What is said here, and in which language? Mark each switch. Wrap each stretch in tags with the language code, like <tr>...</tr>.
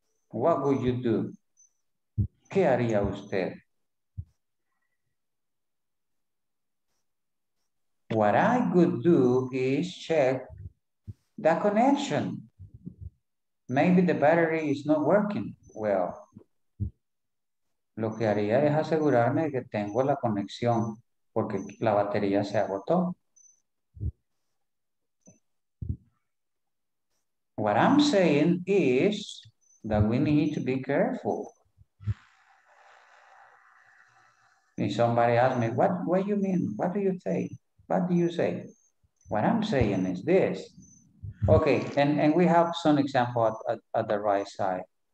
<en>What would you do?</en> <es>¿Qué haría usted?</es> <en>What I could do is check the connection. Maybe the battery is not working well.</en> <es>Lo que haría es asegurarme que tengo la conexión porque la batería se agotó.</es> <en>What I'm saying is that we need to be careful. If somebody asks me, what do you mean? What do you say? What do you say? What I'm saying is this. Okay, and we have some example at the right side.</en>